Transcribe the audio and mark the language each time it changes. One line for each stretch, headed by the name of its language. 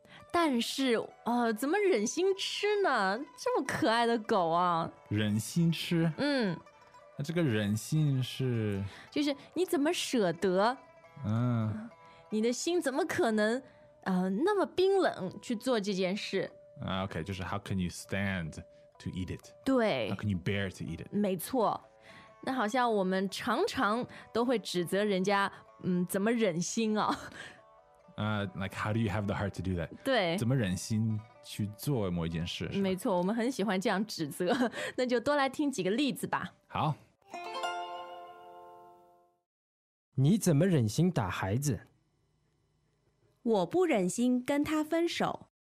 Chinese: 但是怎么忍心吃呢？这么可爱的狗啊。忍心吃？那这个忍心是？就是你怎么舍得？你的心怎么可能那么冰冷去做这件事？
English: OK,
Chinese: 就是
English: how can you stand to eat it?
Chinese: 对。
English: How can you bear to eat it?
Chinese: 没错。那好像我们常常都会指责人家，怎么忍心啊？
English: Like how do you have the heart to do that?
Chinese: 对，怎么忍心去做某一件事？没错，我们很喜欢这样指责。那就多来听几个例子吧。好，你怎么忍心打孩子？我不忍心跟他分手。